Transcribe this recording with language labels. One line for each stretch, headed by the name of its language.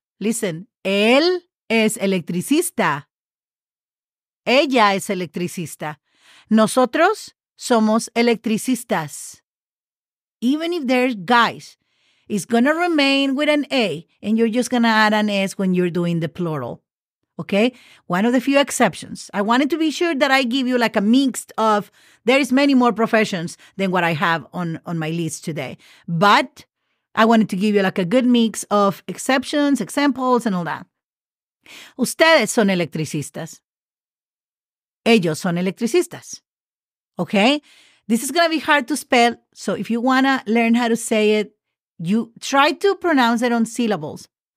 Spanish: Listen, él es electricista. Ella es electricista. Nosotros somos electricistas.
English: Even if there's guys, it's going to remain with an A, and you're just going to add an S when you're doing the plural. Okay? One of the few exceptions. I wanted to be sure that I give you like a mix of, there is many more professions than what I have on my list today. But I wanted to give you like a good mix of exceptions, examples, and all that.
Spanish: Ustedes son electricistas. Ellos son electricistas.
English: Okay? This is going to be hard to spell. So if you want to learn how to say it, you try to pronounce it on syllables.